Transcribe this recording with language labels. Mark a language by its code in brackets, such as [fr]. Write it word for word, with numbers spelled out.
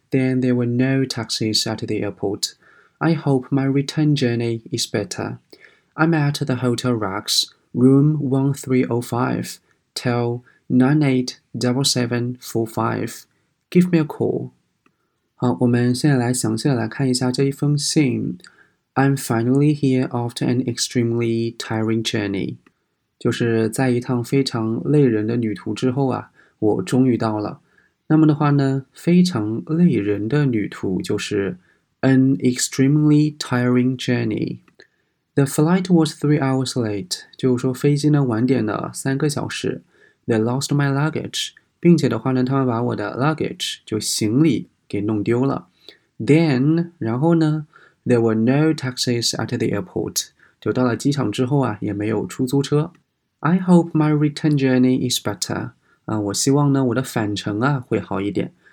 [en] Then there were no taxis at the airport. I hope my return journey is better. I'm at the Hotel Rex, room one three o five, till nine eight double seven four five. Give me a call. [zh] 好，我们现在来详细的来看一下这一封信。 [en] I'm finally here after an extremely tiring journey. [zh] 就是在一趟非常累人的旅途之后啊，我终于到了。那么的话呢，非常累人的旅途就是 [en] an extremely tiring journey. The flight was three hours late. [zh] 就是说飞机呢晚点了三个小时。 [en] They lost my luggage. [zh] 并且的话呢，他们把我的 luggage 就行李给弄丢了。 [en] Then， [zh] 然后呢 [en] ，there were no taxis at the airport。 [zh] 就到了机场之后啊，也没有出租车。 [en] I hope my return journey is better。 [zh] 啊，我希望呢，我的返程啊会好一点。